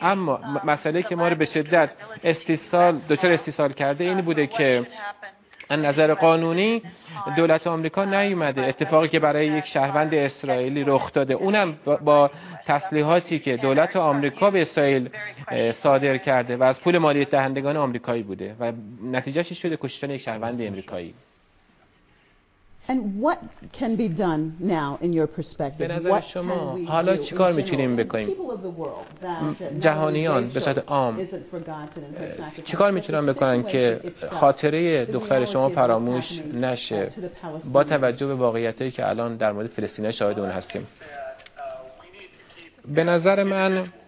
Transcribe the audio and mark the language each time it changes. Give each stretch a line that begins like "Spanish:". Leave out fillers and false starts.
Persian: اما مسئله که ما رو به شدت دچار استیصال کرده این بوده که از نظر قانونی دولت آمریکا نیومده اتفاقی که برای یک شهروند اسرائیلی رخ داده، اونم با تسلیحاتی که دولت آمریکا به اسرائیل صادر کرده و از پول مالی دهندگان آمریکایی بوده و نتیجه‌اش شده کشتن یک شهروند آمریکایی.
English: And what can be done now in your perspective?
Persian: What شما حالا چیکار میتونیم بکنیم؟ جهانیان به صورت عام چیکار میتونن بکنن که خاطره دختر شما فراموش نشه با توجه به واقعیتایی که الان در مورد فلسطین شاهد اون هستیم؟ به نظر من